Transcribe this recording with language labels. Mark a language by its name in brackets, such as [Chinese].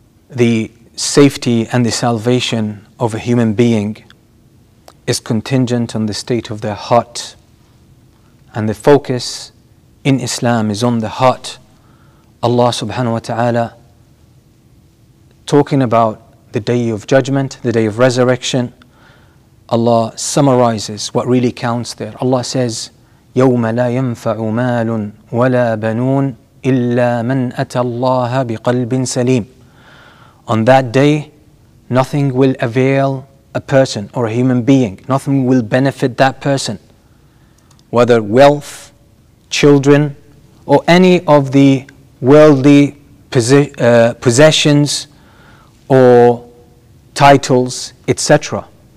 [English] The safety and the salvation of a human being is contingent on the state of their heart. And the focus in Islam is on the heart. Allah subhanahu wa ta'ala talking about the day of judgment, the day of resurrection, Allah summarizes what really counts there. Allah says, [Arabic] يَوْمَ لَا يَنْفَعُ مَالٌ وَلَا بَنُونَ إِلَّا مَنْ أَتَى اللَّهَ بِقَلْبٍ سَلِيمٍ. [English] On that day, nothing will avail a person or a human being, nothing will benefit that person, whether wealth, children, or any of the worldly possessions or titles, etc.